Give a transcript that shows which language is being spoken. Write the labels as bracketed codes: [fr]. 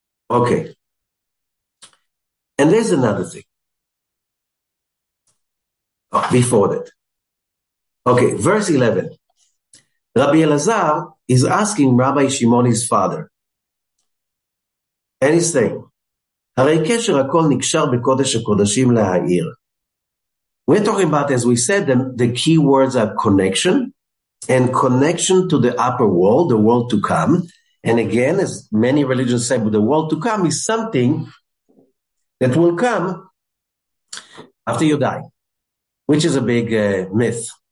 [en] Okay. And there's another thing. Oh, before that. Okay, verse 11. Rabbi Elazar is asking Rabbi Shimon, his father. [he] And he's saying, הרי קשר הכל נקשר בקודש הקודשים להעיר. [en] We're talking about, as we said, the key words are connection and connection to the upper world, the world to come. And again, as many religions say, but the world to come is something that will come after you die, which is a big myth.